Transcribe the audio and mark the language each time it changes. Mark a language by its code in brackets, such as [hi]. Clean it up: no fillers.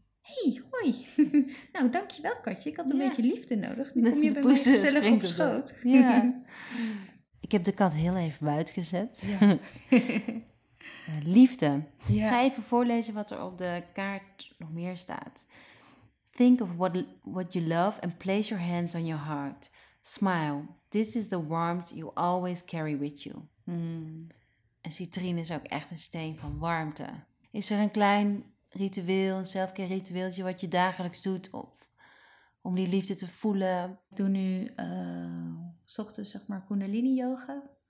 [nl] Hey, hoi. Nou, dankjewel Katje. Ik had een beetje liefde nodig. Nu kom je bij mij gezellig op schoot. Ja. Ik heb de kat heel even buiten gezet. Ja. Liefde. Ja. Ga even voorlezen wat er op de kaart nog meer staat. [en] Think of what you love and place your hands on your heart. Smile. This is the warmth you always carry with you. Mm. [nl] En citrine is ook echt een steen van warmte. Is er een klein ritueel, een self-care ritueeltje wat je dagelijks doet om die liefde te voelen? Ik doe nu 's ochtends zeg maar kundalini yoga.